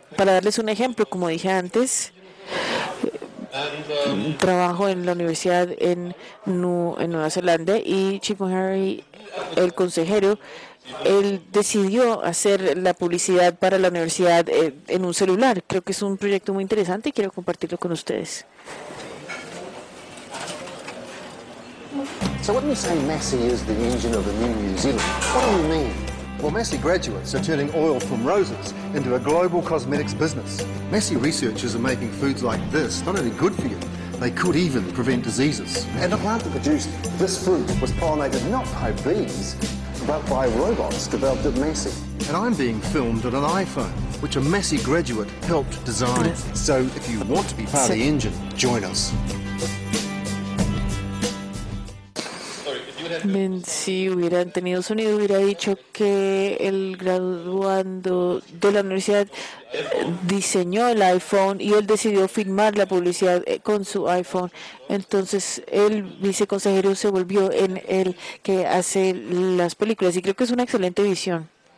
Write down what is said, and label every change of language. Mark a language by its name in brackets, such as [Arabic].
[Spanish] Para darles un ejemplo, como dije antes, trabajo en la universidad en Nueva Zelanda y Chip Harry, el consejero, él decidió hacer la publicidad para la universidad en un celular. Creo que es un proyecto muy interesante y quiero compartirlo con ustedes. [English] So when you say Messi is the engine of the new New Zealand, what do you mean? Well, Messi graduates are turning oil from roses into a global cosmetics business. Messi researchers are making foods like this not only good for you, they could even prevent diseases. And the plant that produced this fruit was pollinated not by bees, but by robots developed at Messi. And I'm being filmed on an iPhone, which a Messi graduate helped design. So if you want to be part of the engine, join us. [Spanish] Si hubieran tenido sonido, hubiera dicho que el graduando de la universidad diseñó el iPhone y él decidió filmar la publicidad con su iPhone. Entonces, el viceconsejero se volvió en el que hace las películas y creo que es una excelente visión.